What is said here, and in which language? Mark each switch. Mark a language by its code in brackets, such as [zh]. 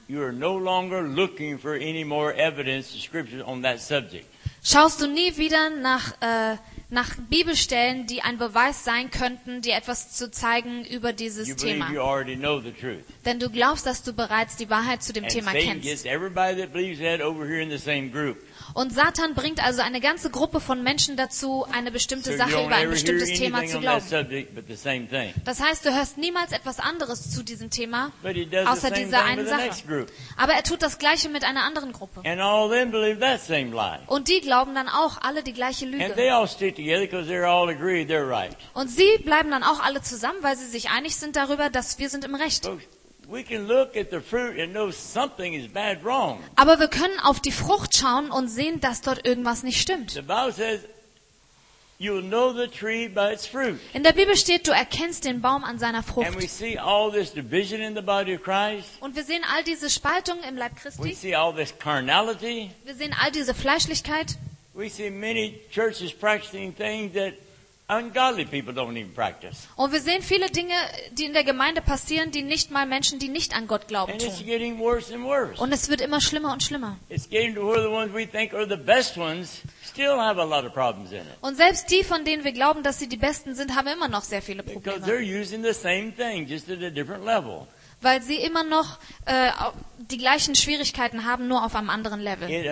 [en] you are no longer looking for any more evidence in scripture on that subject. [de] Schaust du nie wieder nach Bibelstellen, die ein Beweis sein könnten, dir etwas zu zeigen über dieses Thema. [en] You already know the truth. [de] Denn du glaubst, dass du bereits die Wahrheit zu dem Thema kennst. [en] Everybody that believes that over here in the same group. [de] Und Satan bringt also eine ganze Gruppe von Menschen dazu, eine bestimmte Sache über ein bestimmtes Thema zu glauben. Das heißt, du hörst niemals etwas anderes zu diesem Thema, außer dieser einen Sache. Aber er tut das Gleiche mit einer anderen Gruppe. Und die glauben dann auch alle die gleiche Lüge. Und sie bleiben dann auch alle zusammen, weil sie sich einig sind darüber, dass wir sind im Recht. [en] We can look at the fruit and know something is bad wrong. [de] Aber wir können auf die Frucht schauen und sehen, dass dort irgendwas nicht stimmt. [en] The Bible says, you'll know the tree by its fruit. [de] In der Bibel steht, du erkennst den Baum an seiner Frucht. [en] And we see all this division in the body of Christ. [de] Und wir sehen all diese Spaltung im Leib Christi. [en] We see all this carnality. [de] Wir sehen all diese Fleischlichkeit. [en] We see many churches practicing things that ungodly people don't even practice. [de] Und wir sehen viele Dinge, die in der Gemeinde passieren, die nicht mal Menschen, die nicht an Gott glauben, tun. [en] And it's getting worse and worse. [de] Und es wird immer schlimmer und schlimmer. [en] It's getting to where the ones we think are the best ones still have a lot of problems in it. [de] Und selbst die, von denen wir glauben, dass sie die besten sind, haben immer noch sehr viele Probleme. [en] Because they're using the same thing, just at a different level. [de] Weil sie immer noch die gleichen Schwierigkeiten haben, nur auf einem anderen Level.